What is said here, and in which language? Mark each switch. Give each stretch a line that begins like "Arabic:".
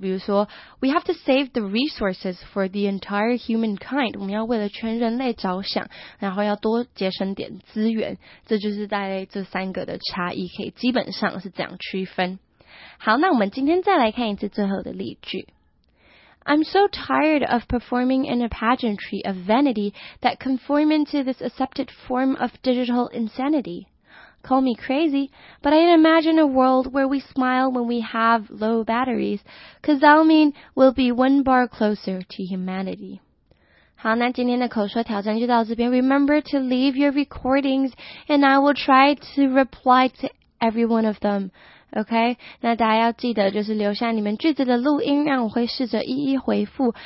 Chinese: 比如说
English: ，we have to save the resources for the entire humankind。
Chinese: 我们要为了全人类着想，然后要多节省点资源。这就是在这三个的差异，可以基本上是这样区分。好，那我们今天再来看一次最后的例句。
English: I'm so tired of performing in a pageantry of vanity that conform into this accepted form of digital insanity. Call me crazy, but I imagine a world where we smile when we have low batteries, because that'll mean we'll be one bar closer to humanity.
Chinese: 好，那今天的口说挑战就到这边。
English: Remember to leave your recordings, and I will try to reply to every one of them.
Chinese: OK, 那大家要记得就是留下你们句子的录音，让我会试着一一回复。